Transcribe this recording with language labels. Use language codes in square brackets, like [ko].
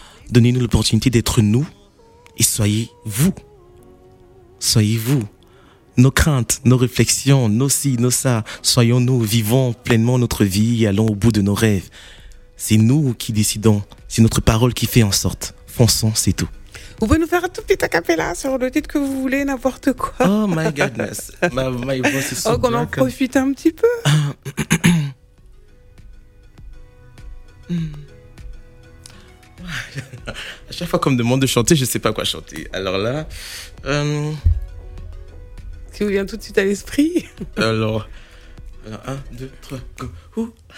[fr] Donnez-nous l'opportunité d'être nous et soyez vous. Soyez vous. Nos craintes, nos réflexions, nos ci, nos ça, soyons-nous, vivons pleinement notre vie et allons au bout de nos rêves. C'est nous qui décidons, c'est notre parole qui fait en sorte. Fonçons, c'est tout. Vous pouvez nous faire un tout petit a cappella sur le titre que vous voulez, n'importe quoi. [en] Oh my goodness, my voice is so dark. [fr] Oh, qu'on en profite un petit peu. À chaque fois qu'on me demande de chanter, je ne sais pas quoi chanter. Alors là... qui vous vient tout de suite à l'esprit. Alors, 1, 2, 3, go.